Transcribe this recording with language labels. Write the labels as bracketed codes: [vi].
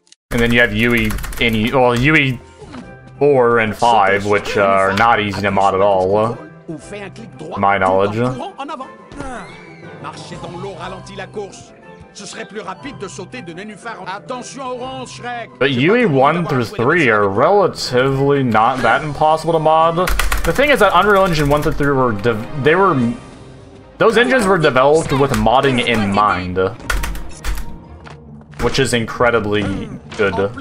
[en] And then you have UE 4 and 5, which are not easy to mod at all, my knowledge. [fr] Marcher dans l'eau ralentit la course. Ce serait plus rapide de sauter de nénuphar. Attention orange Shrek. [en] But UE 1 through 3 are relatively not that impossible to mod. The thing is that Unreal Engine 1 through 3 those engines were developed with modding in mind, which is incredibly good.